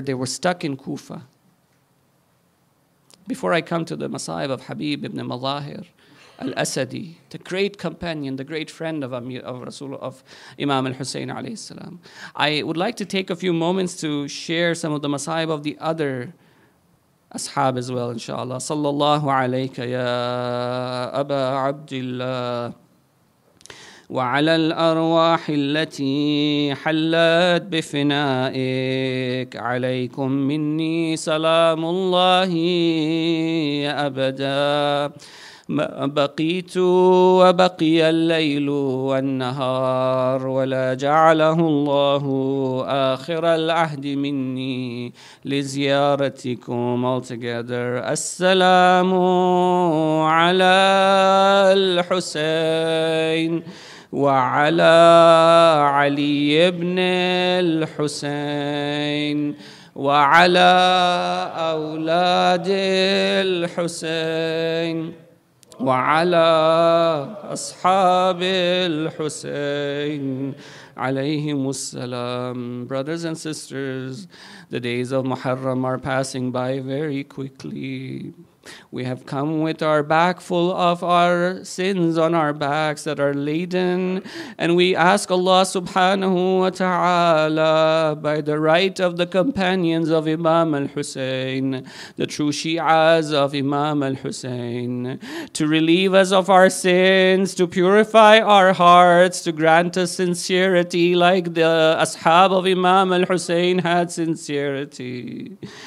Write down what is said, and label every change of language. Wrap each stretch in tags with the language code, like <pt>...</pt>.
<en>They were stuck in Kufa. Before I come to the Masaib of Habib ibn Mazahir al-Asadi, the great companion, the great friend of Imam al-Hussein alayhi salam, I would like to take a few moments to share some of the Masaib of the other Ashab as well, inshallah.</en> <ar>Sallallahu alayka ya Aba Abdullah wa ala al-arwahi allati hallat bifinaik alaykum minni salamullahi abada ما بقيت وبقي الليل والنهار ولا جعله الله آخر العهد مني لزيارتكم</ar> <en>altogether</en> <ar>السلام على الحسين وعلى علي بن الحسين وعلى أولاد الحسين وعلى أصحاب الحسين عليهم السلام.</ar> <en>Brothers and sisters, the days of Muharram are passing by very quickly. We have come with our back full of our sins on our backs that are laden. And we ask Allah subhanahu wa ta'ala, by the right of the companions of Imam al-Hussein, the true Shias of Imam al-Hussein, to relieve us of our sins, to purify our hearts, to grant us sincerity like the Ashab of Imam al-Hussein had sincerity.</en>